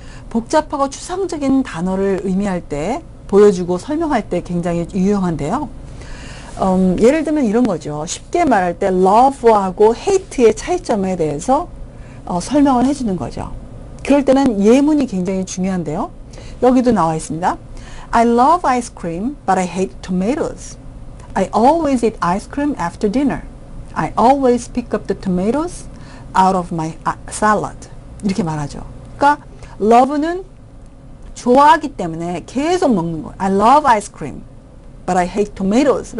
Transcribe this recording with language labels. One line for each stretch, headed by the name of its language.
Korean: 복잡하고 추상적인 단어를 의미할 때, 보여주고 설명할 때 굉장히 유용한데요. 예를 들면 이런 거죠. 쉽게 말할 때 love하고 hate의 차이점에 대해서 설명을 해주는 거죠. 그럴 때는 예문이 굉장히 중요한데요. 여기도 나와 있습니다.
English: I love ice cream, but I hate tomatoes. I always eat ice cream after dinner. I always pick up the tomatoes out of my salad.
Korean: 이렇게 말하죠. 그러니까 love는 좋아하기 때문에 계속 먹는 거예요.
English: I love ice cream, but I hate tomatoes.